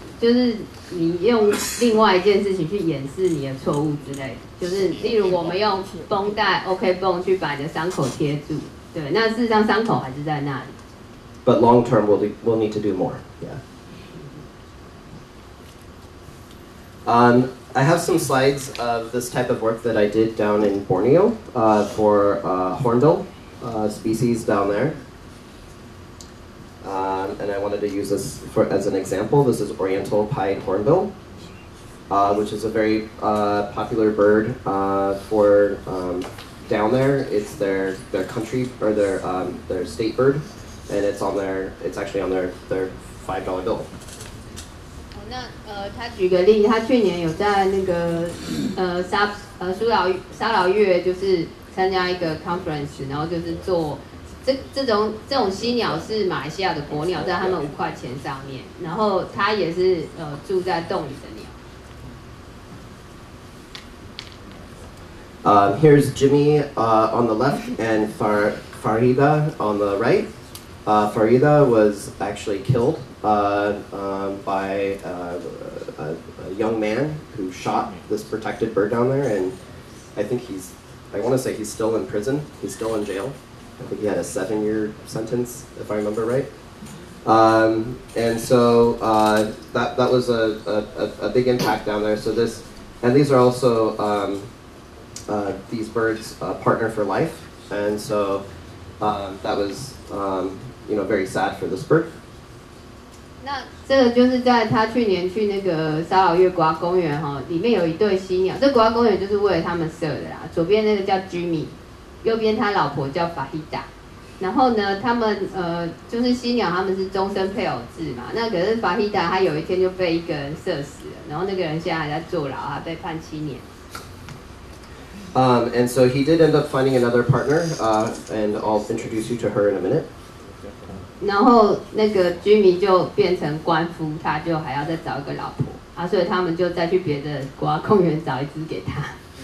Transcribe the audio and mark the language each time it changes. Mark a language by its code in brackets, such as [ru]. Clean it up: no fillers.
[zh] 就是你用另外一件事情去掩饰你的错误之类的，就是例如我们用绷带 OK 绷去把你的伤口贴住，对，那事实上伤口还是在那里。 [en] But long term, we'll need to do more. Yeah. I have some slides of this type of work that I did down in Borneo for hornbill species down there. And I wanted to use this as an example. This is Oriental Pied Hornbill, which is a very popular bird for down there. It's their country or their state bird, and it's actually on their $5 bill. [zh] 那他举个例，他去年有在那个沙劳越就是参加一个 conference， 然后就是做。这种犀鸟是马来西亚的国鸟，在他们5块钱上面，然后它也是住在洞里的鸟。 [en] Here's Jimmy on the left and Farida on the right. Farida was actually killed by a young man who shot this protected bird down there, and I want to say he's still in prison. He's still in jail.I think he had a 7-year sentence, if I remember right. And so that was a big impact down there. So this, and these are also these birds, Partner for Life, and so that was you know, very sad for this bird. [zh] 那这个就是在他去年去那个沙老月国家公园哈，里面有一对犀鸟。这国家公园就是为了他们设的啦。左边那个叫 Jimmy， 右边他老婆叫 Fahida。然后呢，他们就是犀鸟，他们是终身配偶制嘛。那可是 Fahida 他有一天就被一个人射死了，然后那个人现在还在坐牢，他被判七年。 [en] And so he did end up finding another partner, and I'll introduce you to her in a minute. [zh] 然后那个居民就变成官夫，他就还要再找一个老婆啊，所以他们就再去别的国家公园找一只给他。